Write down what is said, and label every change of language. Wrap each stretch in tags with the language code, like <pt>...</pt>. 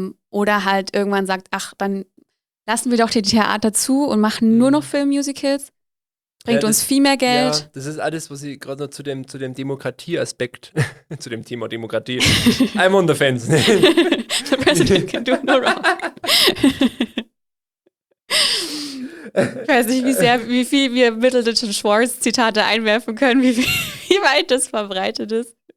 <de>Oder halt irgendwann sagt, ach, dann lassen wir doch die Theater zu und machen nur noch Filmmusicals. Bringt uns viel mehr Geld. Ja, das ist alles, was ich gerade noch zu dem Demokratie-Aspekt, zu dem Thema Demokratie.</de> <en>I'm on the fence. The president can do no wrong.</en> <de>Ich weiß nicht, wie viel wir Middleton Schwartz-Zitate einwerfen können, wie weit das verbreitet ist.</de>